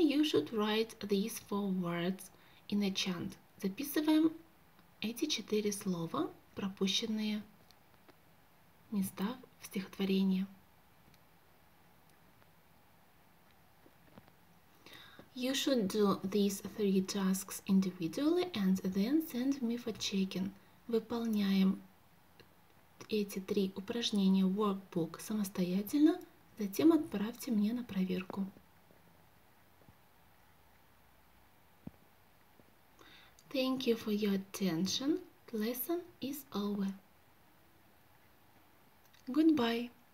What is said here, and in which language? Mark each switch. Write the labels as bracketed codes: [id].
[en] You should write these four words in a chant. [ru] Записываем эти четыре слова, пропущенные места в стихотворении. [en] You should do these three tasks individually and then send me for checking. [ru] Выполняем эти три упражнения workbook самостоятельно, затем отправьте мне на проверку. [en] Thank you for your attention. Lesson is over. Goodbye.